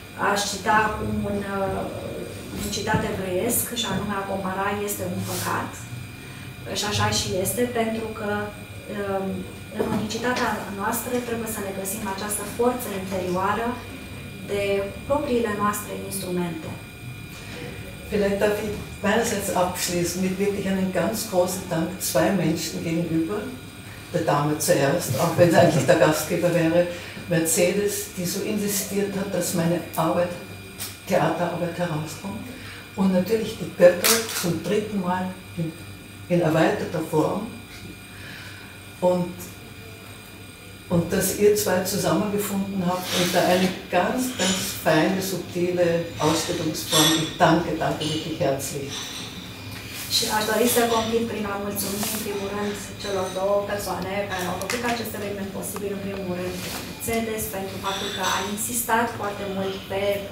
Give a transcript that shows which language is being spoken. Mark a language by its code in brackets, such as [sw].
[ro] Aș cita acum un citat evreiesc și anume, a compara este un păcat. Și așa și este, pentru că în unicitatea noastră trebuie să ne găsim această forță interioară de propriile noastre instrumente. [de] Vielleicht darf ich meinerseits abschließen mit wirklich einem ganz großen Dank zwei Menschen gegenüber, der Dame zuerst, auch wenn sie eigentlich der Gastgeber wäre, Mercedes, die so insistiert hat, dass meine Arbeit, Theaterarbeit herauskommt, und natürlich die Götter zum dritten Mal in erweiterter Form, und dass ihr zwei zusammengefunden habt und da eine ganz, ganz feine, subtile Ausstellungsform. Ich danke, danke wirklich herzlich. [ro] Și aș dori să conchid prin a mulțumi, în primul rând, celor două persoane care au făcut acest eveniment posibil, în primul rând, Mercedes, pentru faptul că a insistat foarte mult pe